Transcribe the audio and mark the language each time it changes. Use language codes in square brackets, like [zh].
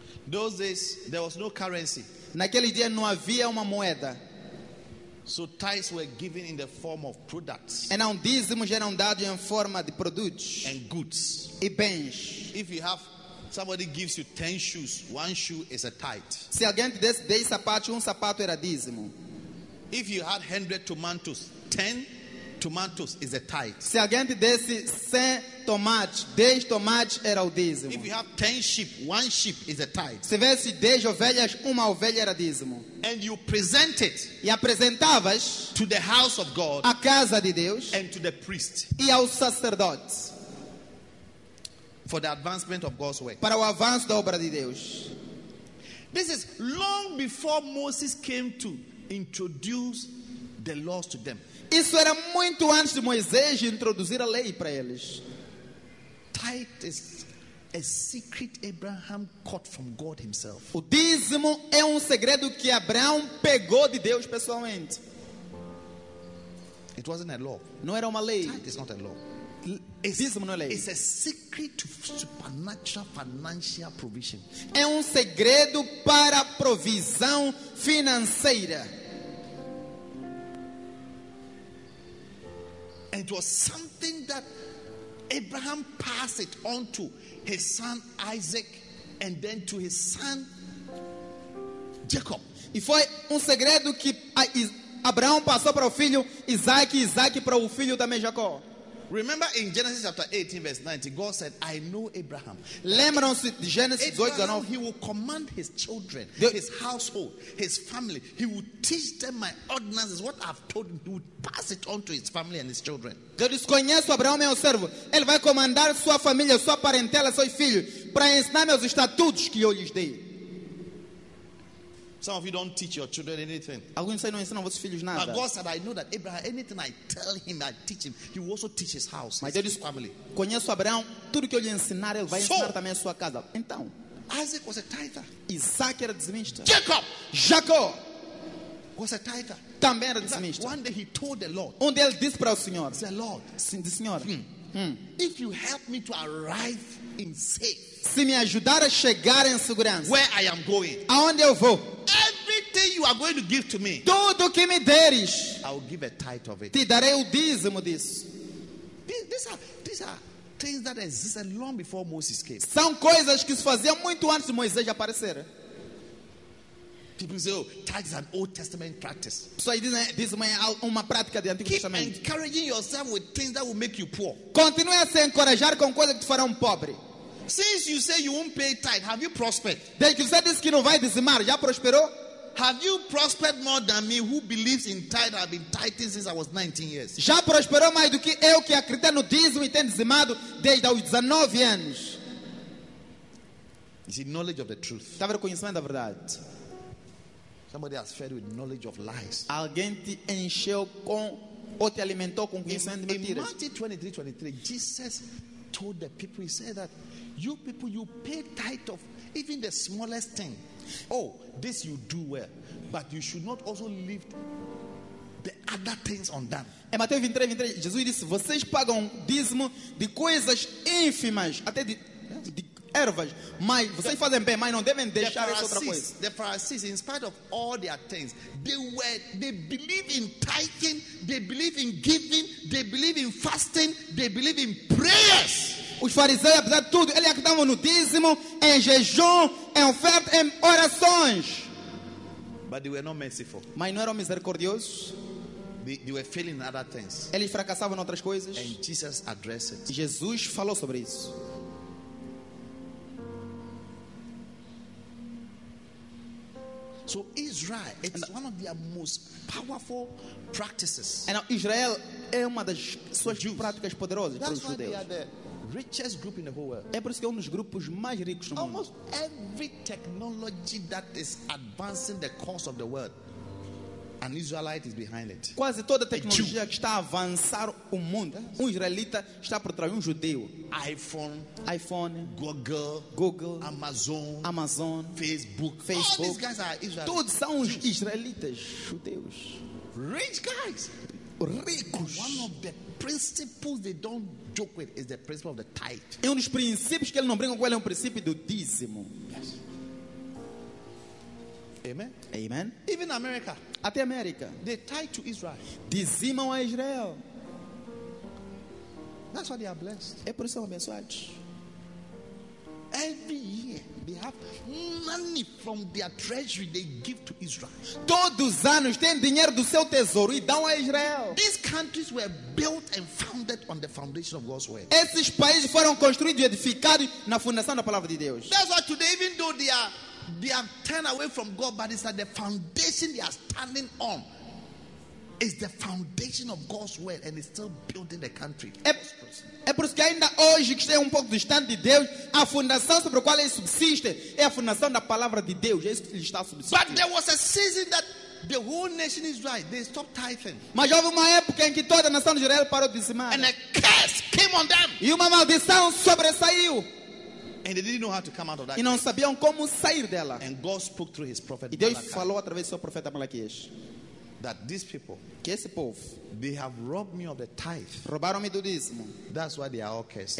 [en] Those days there was no currency. [pt] Naquele dia não havia uma moeda. [en] So tithes were given in the form of products. [pt] Então dízimos eram dados em forma de produtos. [en] And goods. [pt] E bens. [en] If you have Somebody gives you 10 shoes, one shoe is a tithe. [pt] Se alguém te desse 10 sapatos, um sapato era dízimo. [en] If you had 100 tomatoes, 10 tomatoes is a tithe. [pt] Se alguém te desse 100 tomates, 10 tomates era o dízimo. [en] If you have 10 sheep, one sheep is a tithe. [pt] Se tivesse 10 ovelhas, uma ovelha era dízimo. [en] And you present it, [pt] e apresentavas [en] to the house of God, [pt] a casa de Deus, [en] and to the priest, [pt] e ao sacerdote, [en] for the advancement of God's work, [pt] para o avanço da obra de Deus. [en] This is long before Moses came to introduce the laws to them. [pt] Isso era muito antes de Moisés introduzir a lei para eles. [en] Titus, a secret Abraham caught from God himself. [pt] O dízimo é segredo que Abraão pegou de Deus pessoalmente. [en] It wasn't a law. [pt] Não era uma lei. [en] It's not a law. It's a secret to supernatural financial provision. [pt] É segredo para provisão financeira. [en] And it was something that Abraham passed it on to his son Isaac and then to his son Jacob. [pt] E foi segredo que Abraão passou para o filho Isaac, Isaac para o filho também Jacó. [en] Remember in Genesis chapter 18 verse 19, God said, I know Abraham. [pt] Lembram-se de Genesis 18:19, [en] he will command his children, his household, his family. He will teach them my ordinances, what I've told him. He will pass it on to his family and his children. [pt] Deus disse, conheço Abraão, meu servo. Ele vai comandar sua família, sua parentela, seus filhos, para ensinar meus estatutos que eu lhes dei. [en] Some of you don't teach your children anything. [pt] Alguns não ensinam vossos filhos nada. [en] But God said, I know that Abraham, anything I tell him, I teach him, he will also teach his house. [pt] Mas [en] his family. [pt] Conheço Abraão, tudo que eu lhe ensinar, ele vai ensinar também a sua casa. Então, [en] Isaac was a tither. [pt] Isaac era dizimista. [en] Jacob was a tither. [pt] Também era dizimista. [en] One day he told the Lord. [pt] Onde ele disse para o Senhor. [en] Said, Lord, [pt] the Senhor, [en] if you help me to arrive in safe, [pt] se me ajudar a chegar em segurança, [en] where I am going, [pt] aonde eu vou, [en] everything you are going to give to me, [pt] tudo que me deres, [en] I will give a tithe of it. [pt] Te darei o dízimo disso. [en] These are things that existed long before Moses came. [pt] São coisas que se faziam muito antes de Moisés aparecer. [en] People say, oh, tithe is an Old Testament practice. So this is [pt] uma prática de Antigo [en] Keep [pt] Testamento. [en] Encouraging yourself with things that will make you poor. [pt] Continue a se encorajar com coisas que te farão pobre. [en] Since you say you won't pay tithe, have you prospered? [pt] Desde que você disse que não vai dizimar, já prosperou? [en] Have you prospered more than me who believes in tithe? I've been tithing since I was 19 years. [pt] Já prosperou mais do que eu que acredito no dízimo e tenho dizimado desde os 19 anos? [en] It's the knowledge of the truth. [pt] Está vendo o conhecimento da verdade? [en] Somebody has fed with knowledge of lies. [pt] Alguém te encheu com ou te alimentou com conhecimento de mentiras. [en] In Matthew 23:23, Jesus told the people, he said that you people, you pay tithe of even the smallest thing. Oh, this you do well, but you should not also leave the other things undone. [pt] Em Mateus 23:23, Jesus disse, vocês pagam dízimo de coisas ínfimas, até de ervas, mas vocês fazem bem, mas não devem deixar essa outra coisa. [en] The Pharisees, in spite of all their things, they believe in tithing, they believe in giving, they believe in fasting, they believe in prayers. [pt] Os fariseus, apesar de tudo, eles acreditavam no dízimo, em jejum, em oferta, em orações. [en] But they were not merciful. [pt] Mas não eram misericordiosos. [en] They were failing in other things. [pt] Eles fracassavam em outras coisas. [en] And Jesus addressed it. [pt] Jesus falou sobre isso. [en] So Israel, it's one of their most powerful practices. And now [pt] Israel é uma das suas práticas poderosas para os judeus. [en] Richest group in the whole world. [pt] É por isso que é dos grupos mais ricos no mundo. [en] Almost every technology that is advancing the course of the world, an Israelite is behind it. [pt] Quase toda a tecnologia que está a avançar o mundo, israelita está por trás, judeu. [en] iPhone, Google, Amazon, Facebook. All these guys are Israelites. [pt] Todos são os israelitas, judeus. [en] Rich guys. [pt] Ricos. [en] One of the principles they don't joke with is the principle of the tithe. [pt] É dos princípios que eles não brincam com ele, é princípio do dízimo. [en] Yes. Amen. Amen. Even America. [pt] Até América. [en] They tie to Israel. [pt] Dizimam a Israel. [en] That's why they are blessed. [pt] É por isso que são abençoados. [en] every year they have money from their treasury they give to Israel. [pt] Todos anos têm dinheiro do seu tesouro e dão a Israel. [en] These countries were built and founded on the foundation of God's word. [pt] Esses países foram construídos e edificados na fundação da palavra de Deus. [en] That's why today, even though they are turned away from God, but it's that the foundation they are standing on is the foundation of God's word, and it's still building the country. [pt] É por isso que ainda hoje que estou um pouco distante de Deus, a fundação sobre a qual ele subsiste é a fundação da palavra de Deus. É isso que ele está subsistindo. [en] But there was a season that the whole nation is right. They stopped tithing. [pt] Mas houve uma época em que toda a nação de Israel parou de dizimar. [en] And a curse came on them. [pt] E uma maldição sobressaiu. [en] And they didn't know how to come out of that. [pt] E não sabiam como sair dela. [en] And God spoke through His prophet. [pt] E Deus falou através do seu profeta Malaquias. [en] That these people, [pt] que esse povo, [en] they have robbed me of the tithe. [pt] Roubaram-me do dízimo. [en] That's why they are all cursed.